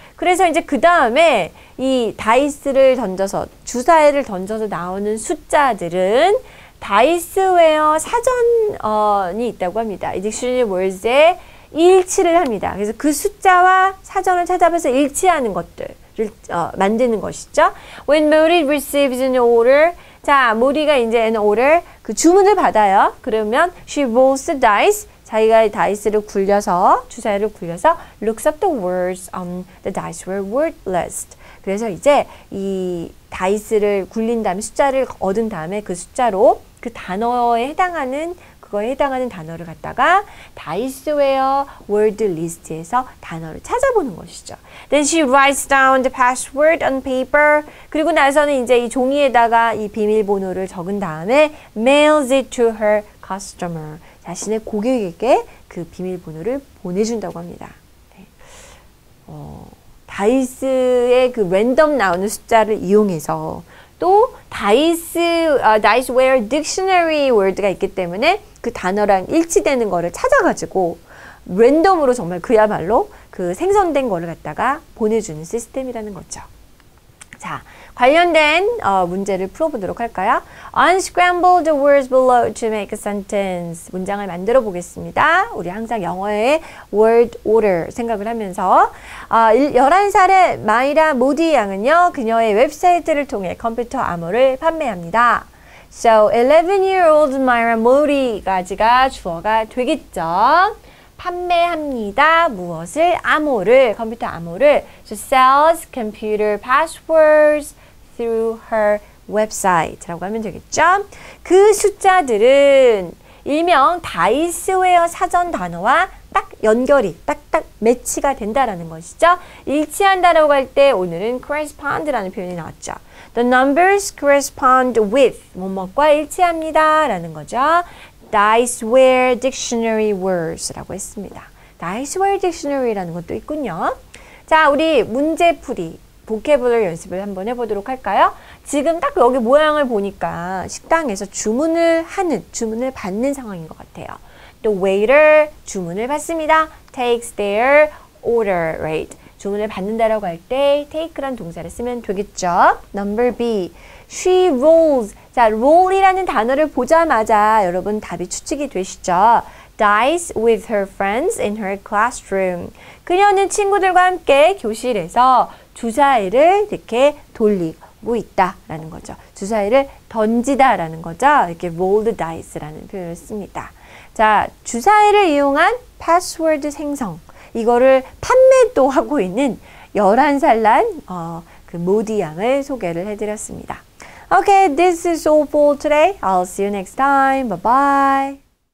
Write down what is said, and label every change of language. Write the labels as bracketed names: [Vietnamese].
[Korean] 그래서 이제 그 다음에 이 다이스를 던져서, 주사위를 던져서 나오는 숫자들은 다이스웨어 사전이 있다고 합니다. 이 dictionary words에 일치를 합니다. 그래서 그 숫자와 사전을 찾아봐서 일치하는 것들. 만드는 것이죠. [English] When Modi receives an order, [Korean] 자, 모디가 이제 an order, 그 주문을 받아요. 그러면 [English] she rolls the dice, [Korean] 자기가 다이스를 굴려서, 주사위를 굴려서 [English] looks up the words on the Diceware word list. [Korean] 그래서 이제 이 다이스를 굴린 다음에 숫자를 얻은 다음에 그 숫자로 그 단어에 해당하는, 그거에 해당하는 단어를 갖다가 Diceware word list에서 단어를 찾아보는 것이죠. [English] Then she writes down the password on paper. [Korean] 그리고 나서는 이제 이 종이에다가 이 비밀번호를 적은 다음에 [English] mails it to her customer. [Korean] 자신의 고객에게 그 비밀번호를 보내준다고 합니다. 네. 다이스의 그 랜덤 나오는 숫자를 이용해서 또 Diceware dictionary word가 있기 때문에 그 단어랑 일치되는 거를 찾아가지고 랜덤으로 정말 그야말로 그 생성된 거를 갖다가 보내주는 시스템이라는 거죠. 자, 관련된 문제를 풀어보도록 할까요? [English] Unscramble the words below to make a sentence. [Korean] 문장을 만들어 보겠습니다. 우리 항상 영어의 word order 생각을 하면서 11살의 마이라 모디 양은요, 그녀의 웹사이트를 통해 컴퓨터 암호를 판매합니다. [English] So, 11-year-old Myra Modi까지가 [Korean] 주어가 되겠죠. 판매합니다. 무엇을? 암호를. 컴퓨터 암호를. [English] So, sells computer passwords through her website [Korean] 라고 하면 되겠죠. 그 숫자들은 일명 다이스웨어 사전 단어와 딱 연결이, 딱딱 매치가 된다라는 것이죠. 일치한다라고 할 때 오늘은 correspond라는 표현이 나왔죠. [English] The numbers correspond with, [Korean] 뭐뭐과 일치합니다 라는 거죠. [English] Diceware dictionary words 라고 했습니다. [Korean] Diceware dictionary 라는 것도 있군요. 자, 우리 문제풀이, vocabulary 연습을 한번 해보도록 할까요? 지금 딱 여기 모양을 보니까 식당에서 주문을 하는, 주문을 받는 상황인 것 같아요. [English] The waiter [Korean] 주문을 받습니다. [English] Takes their order, right? [Korean] 주문을 받는다라고 할 때 take란 동사를 쓰면 되겠죠. [English] Number B, she rolls. [Korean] 자, roll이라는 단어를 보자마자 여러분 답이 추측이 되시죠. [English] Dice with her friends in her classroom. [Korean] 그녀는 친구들과 함께 교실에서 주사위를 이렇게 돌리고 있다라는 거죠. 주사위를 던지다라는 거죠. 이렇게 rolled dice라는 표현을 씁니다. 자, 주사위를 이용한 password 생성. 이거를 판매도 하고 있는 11살 난 그 모디 양을 소개를 해드렸습니다. [English] Okay, this is all for today. I'll see you next time. Bye-bye.